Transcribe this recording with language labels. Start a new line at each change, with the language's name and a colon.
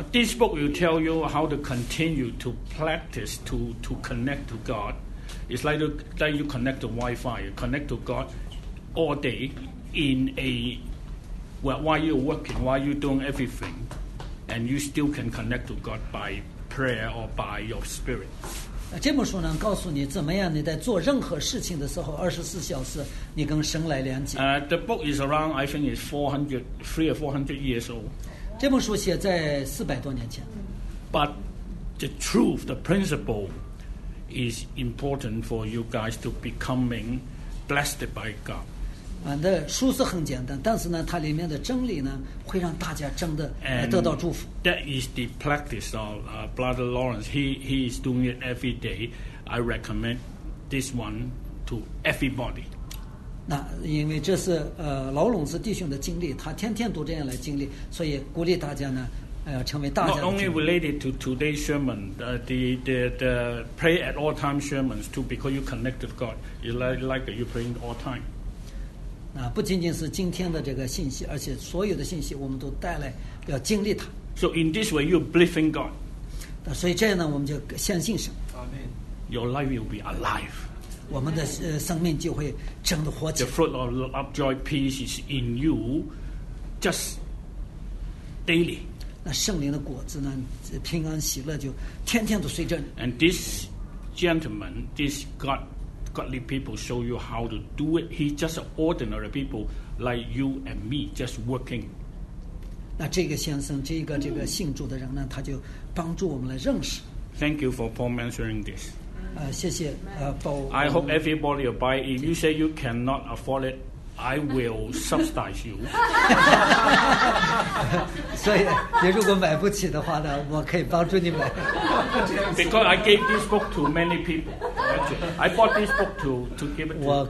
English: But this book will tell you how to continue to practice to connect to God. It's like that you connect to Wi-Fi, you connect to God all day in a while you're working, while you're doing everything, and you still can connect to God by prayer or by your spirit.
Chinese: 这本书呢，告诉你怎么样你在做任何事情的时候，24小时你跟神来连接。
English: The book is around, I think, is 400 years old.
Chinese: 这本书写在400多年前。
English: But the truth, the principle, is important for you guys to becoming blessed by God.
Chinese: 那书是很简单，但是呢，它里面的真理呢，会让大家真的得到祝福。
English: And that is the practice of Brother Lawrence. He is doing it every day. I recommend this one to everybody.
Chinese: 那因为这是劳伦斯弟兄的经历，他天天都这样来经历，所以鼓励大家呢，成为大家的。
English: Not only related to today's sermon, the pray at all times sermons too, because you connect with God. You like you praying all time.
Chinese: 不仅仅是今天的这个信息，而且所有的信息我们都带来要经历它。
English: So in this way, you believe in God.
Chinese: 所以这样呢，我们就相信神。
English: Amen. Your life will be alive.
Chinese: 我们的生命就会真的活起来。
English: The fruit of love, joy, peace is in you, just daily.
Chinese: 那圣灵的果子呢，平安喜乐就天天都随着你。
English: And this gentleman, this God. Godly people show you how to do it. He's just ordinary people like you and me, just working.
Chinese: 那这个先生，这个信主的人呢，他就帮助我们来认识。
English: Thank you for Paul mentioning this.
Chinese: 谢谢Paul.
English: I hope everybody will buy it. If you say you cannot afford it, I will subsidize you.
Chinese: 所以你如果买不起的话呢，我可以帮助你买。
English: Because I gave this book to many people. I bought this book to give it to